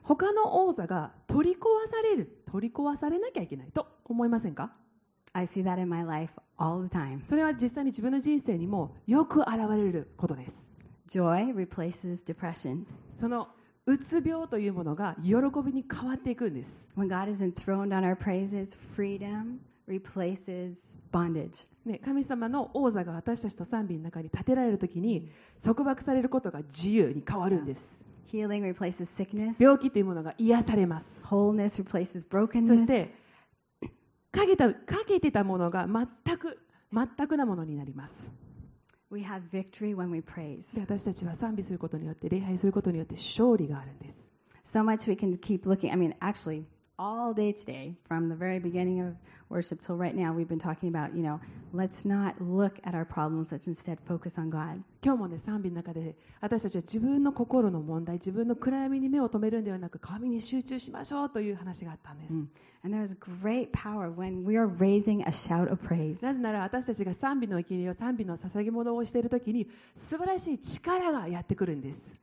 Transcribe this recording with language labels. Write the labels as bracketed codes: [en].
[ja] 他の王座が取り壊される、取り壊されなきゃいけないと。思いませんか？ [en] I see that in my life all the time. [ja] それは実際に自分の人生にもよく現れることです。 [en] Joy replaces depression. [ja] そのうつ病というものが喜びに変わっていくんです。 [en] When God is enthroned on our praises, freedom replaces bondage. [ja] ね、神様の王座が私たちと賛美の中に立てられるときに束縛されることが自由に変わるんです。 [en] Healing replaces sickness. [ja] 病気というものが癒されます。 [en] Wholeness replaces brokenness. [ja] そしてかけてたものが全くなものになります。 [en] We have victory when we praise. [ja] 私たちは賛美することによって、礼拝することによって勝利があるんです。 [en] So much we can keep looking. I mean, actually, all day today, from the very beginning of worship till right now, we've been talking about, you know, let's not look at our problems, let's instead focus on God. [ja] 今日もね、賛美の中で私たちは自分の心の問題、自分の暗闇に目を留めるんではなく、神に集中しましょうという話があったんです。 [en] And there is great power when we are raising a shout of praise. [ja] なぜなら私たちが賛美の生贄を、賛美の捧げ物をしているときに、素晴らしい力がやってくるんです。